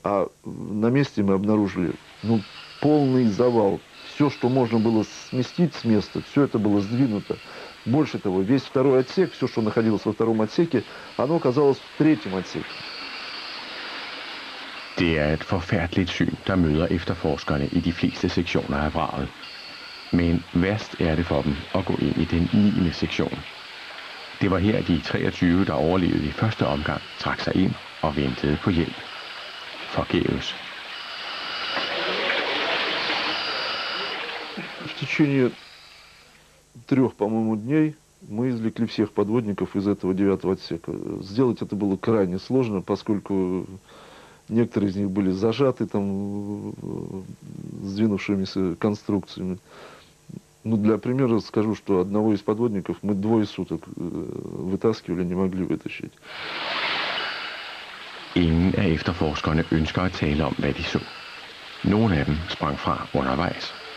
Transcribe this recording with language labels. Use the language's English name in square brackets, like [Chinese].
[Russian] А на месте мы обнаружили полный завал. Все, что можно было сместить с места, все это было сдвинуто. Больше того, весь второй отсек, все, что находилось во втором отсеке, оно оказалось в третьем отсеке. [Danish] Det er et forfærdeligt syn, der møder efterforskerne i de fleste sektioner af vraget. Men værst er det for dem at gå ind i den 9. sektion. Det var her de 23, der overlevede i første omgang, trak sig ind og ventede på hjælp. Forgæves. [Russian] В течение 3, по-моему, дней мы извлекли всех подводников из этого 9 отсека. Сделать это было крайне сложно, поскольку некоторые из них были зажаты там сдвинувшимися конструкциями. Ну, для примера скажу, что одного из подводников мы 2 суток вытаскивали, не могли вытащить. [Danish] Ingen af efterforskerne ønsker at tale om, hvad de så. Nogle af dem sprang fra undervejs.